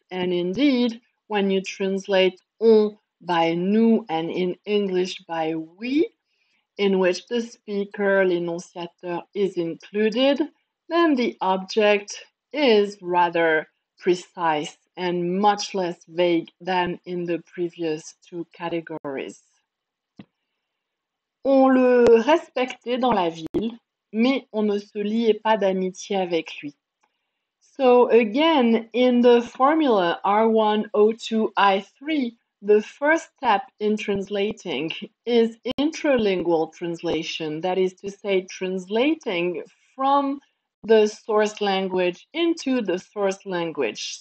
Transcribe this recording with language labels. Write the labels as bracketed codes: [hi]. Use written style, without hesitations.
[en] And indeed, when you translate on by nous and in English by we, in which the speaker, l'énonciateur, is included, then the object is rather precise and much less vague than in the previous two categories. [fr] On le respectait dans la ville, mais on ne se liait pas d'amitié avec lui. [en] So again, in the formula R1O2I3, the first step in translating is intralingual translation, that is to say, translating from the source language into the source language.